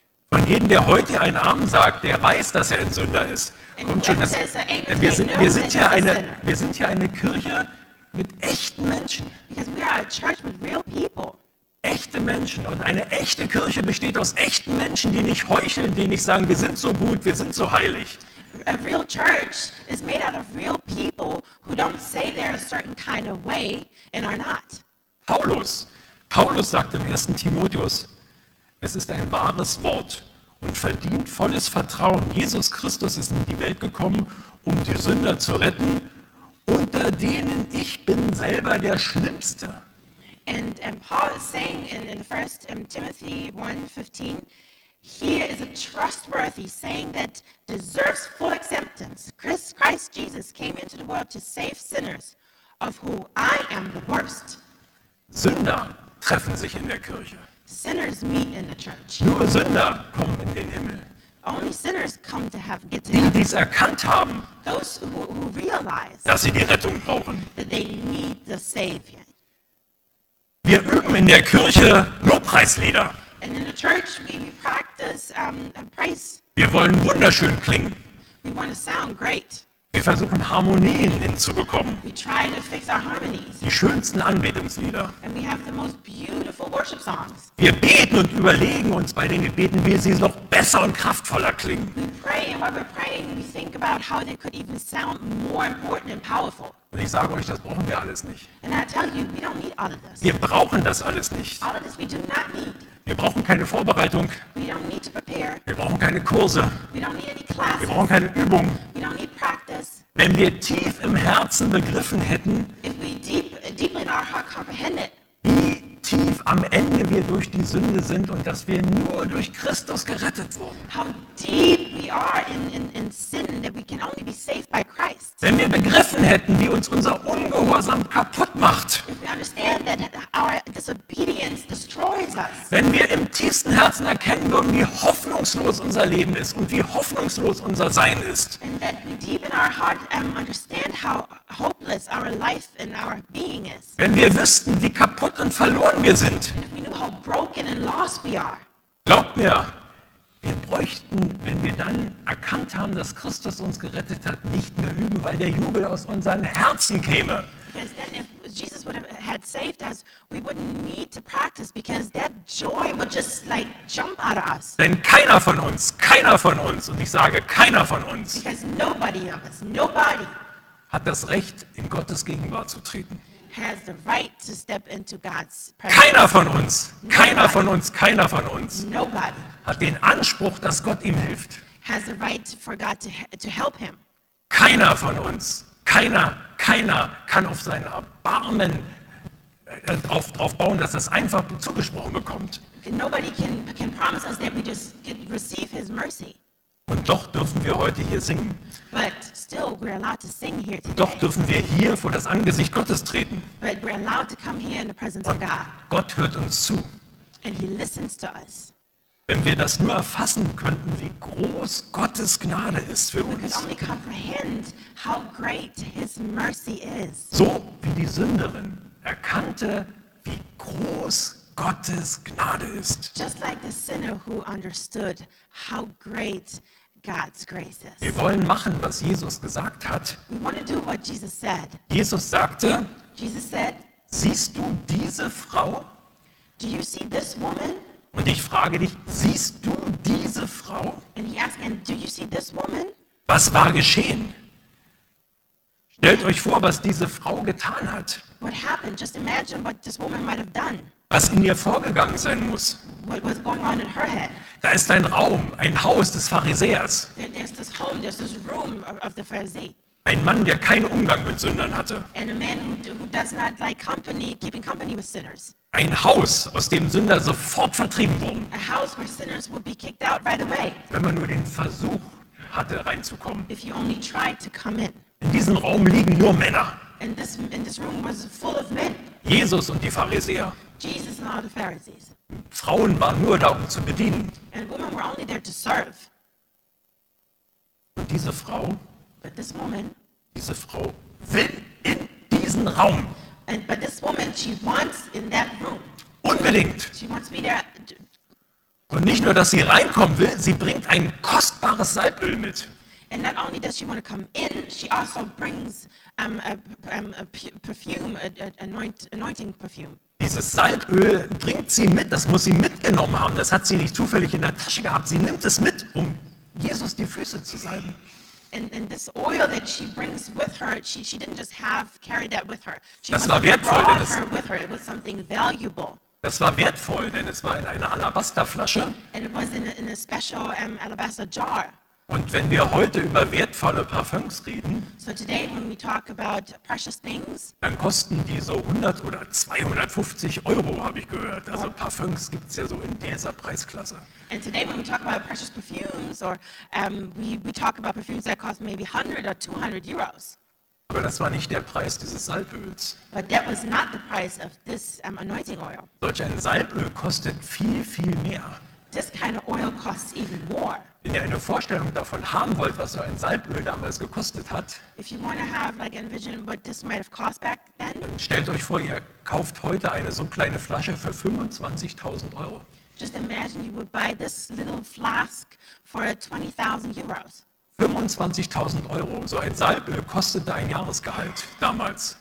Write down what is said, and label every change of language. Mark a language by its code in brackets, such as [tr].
[de] Von jedem, der heute einen Amen sagt, der weiß, dass er ein Sünder ist. Kommt schon, wir sind hier eine Kirche mit echten Menschen. [en] Because we are a church with real people. Echte Menschen. [de] Und eine echte Kirche besteht aus echten Menschen, die nicht heucheln, die nicht sagen, wir sind so gut, wir sind so heilig. [en] A real church is made out of real people who don't say they're a certain kind of way and are not. [de] Paulus sagt im 1. Timotheus, es ist ein wahres Wort und verdient volles Vertrauen. Jesus Christus ist in die Welt gekommen, um die Sünder zu retten, unter denen ich bin selber der Schlimmste. [en] And Paul is saying in 1 Timothy 1:15, he is a trustworthy saying that deserves full acceptance. Christ Jesus came into the world to save sinners, of whom I am the worst. [de] Sünder treffen sich in der Kirche. [en] Sinners meet in the church. [de] Nur Sünder kommen in den Himmel. [en] Only sinners come to have get to [de] die, die es erkannt haben, [en] those who realize, [de] dass sie die Rettung brauchen. [en] That they need the Savior. [de] Wir üben in der Kirche Lobpreislieder. [en] And in the church we practice, praise. [de] Wir wollen wunderschön klingen. [en] We want to sound great. [de] Wir versuchen Harmonien hinzubekommen. [en] We try to fix our harmonies. [de] Die schönsten Anbetungslieder. [en] And we have the most beautiful worship songs. [de] Wir beten und überlegen uns bei den Gebeten, wie sie noch besser und kraftvoller klingen. [en] We pray and while we're praying, we think about how they could even sound more important and powerful. [de] Und ich sage euch, das brauchen wir alles nicht. [en] And I tell you, we don't need all of this. [de] Wir brauchen das alles nicht. [en] All of this we do not need. [de] Wir brauchen keine Vorbereitung. [en] We don't need to prepare. [de] Wir brauchen keine Kurse. [en] We don't need any classes. [de] Wir brauchen keine Übung. [en] We don't need practice. [de] Wenn wir tief im Herzen begriffen hätten, [en] if we deep in our heart comprehended, [de] wie tief am Ende wir durch die Sünde sind und dass wir nur durch Christus gerettet wurden. [en] How deep we are in sin, that we can only be saved by Christ. [de] Wenn wir begriffen hätten, wie uns unser Ungehorsam kaputt macht. [en] If we understand that our disobedience destroys us. [de] Wenn wir im tiefsten Herzen erkennen würden, wie hoffnungslos unser Leben ist und wie hoffnungslos unser Sein ist. [en] And that we deep in our heart understand how hopeless our life and our being is. [de] Wenn wir wüssten, wie kaputt und verloren wir sind. [en] We know how broken and lost we are. [de] Glaubt mir, wir bräuchten, wenn wir dann erkannt haben, dass Christus uns gerettet hat, nicht mehr üben, weil der Jubel aus unseren Herzen käme. [en] Because then if Jesus would have had saved us, we wouldn't need to practice because that joy would just like jump out of us. [de] Denn keiner von uns, und ich sage keiner von uns, [en] because nobody of us, nobody, [de] hat das Recht, in Gottes Gegenwart zu treten. [en] Has the right to step into God's presence. [de] Keiner von uns, keiner [en] nobody, [de] von uns, keiner von uns, [en] nobody, [de] hat den Anspruch, dass Gott ihm hilft. [en] Has the right for God to help him. [de] Keiner von uns, keiner kann auf sein Erbarmen drauf bauen, dass das einfach zugesprochen bekommt. [en] Nobody can promise us that we just can receive his mercy. [de] Und doch dürfen wir heute hier singen. [en] But still, we're allowed to sing here today. [de] Und doch dürfen wir hier vor das Angesicht Gottes treten. [en] But we're allowed to come here in the presence of God. [de] Gott hört uns zu. [en] And he listens to us. [de] Wenn wir das nur erfassen könnten, wie groß Gottes Gnade ist für uns. [en] We could only comprehend how great his mercy is. [de] So wie die Sünderin erkannte, wie groß Gottes Gnade ist. [en] Just like the sinner who understood how great God's grace is. [de] Wir wollen machen, was Jesus gesagt hat. [en] We want to do what Jesus said. [de] Jesus sagte, [en] Jesus said, [de] siehst du diese Frau? [en] Do you see this woman? [de] Und ich frage dich, siehst du diese Frau? [en] And he asked, and do you see this woman? [de] Was war geschehen? Stellt euch vor, was diese Frau getan hat. [en] What happened? Just imagine what this woman might have done. [de] Was in ihr vorgegangen sein muss. [en] What was going on in her head? [de] Da ist ein Raum, ein Haus des Pharisäers. [en] There's this home, there's this room of the Pharisee. [de] Ein Mann, der keinen Umgang mit Sündern hatte. [en] And a man who does not like company, keeping company with sinners. [de] Ein Haus, aus dem Sünder sofort vertrieben wurden. [en] A house where sinners would be kicked out right away. [de] Wenn man nur den Versuch hatte, reinzukommen. [en] If you only tried to come in. [de] In diesem Raum liegen nur Männer. [en] And this room was full of men. [de] Jesus und die Pharisäer. [en] Jesus and all the Pharisees. [de] Frauen waren nur da, um zu bedienen. [en] And women were only there to serve. [de] Und diese Frau, [en] but this woman, [de] diese Frau will in diesen Raum. [en] And but this woman, she wants in that room. [de] Unbedingt. [en] She wants to be there. [de] Und nicht nur, dass sie reinkommen will, sie bringt ein kostbares Salböl mit. [en] And not only does she want to come in, she also brings a perfume, anointing perfume. [de] Dieses Salböl bringt sie mit, das muss sie mitgenommen haben. Das hat sie nicht zufällig in der Tasche gehabt. Sie nimmt es mit, um Jesus die Füße zu salben. [en] And this oil that she brings with her, she didn't just have carried that with her. She [de] das war wertvoll, [en] brought her with her. It was something valuable. [de] Das war wertvoll, denn es war in einer Alabasterflasche. [en] And it was in a special alabaster jar. [de] Und wenn wir heute über wertvolle Parfums reden, [en] so today when we talk about precious things, [de] dann kosten die so 100 oder 250 Euro, habe ich gehört. Also Parfums gibt es ja so in dieser Preisklasse. [en] And today when we talk about precious perfumes or we talk about perfumes that cost maybe 100 or 200 euros. [de] Aber das war nicht der Preis dieses Salböls. [en] But that was not the price of this anointing oil. [de] Solch ein Salböl kostet viel, viel mehr. [en] This kind of oil costs even more. [de] Wenn ihr eine Vorstellung davon haben wollt, was so ein Salböl damals gekostet hat, [en] if you want to have like an vision what this might have cost back then, [de] dann stellt euch vor, ihr kauft heute eine so kleine Flasche für 25.000 Euro. [en] Just imagine you would buy this little flask for 20.000 euros. [de] 25.000 Euro, so ein Salböl kostete ein Jahresgehalt damals.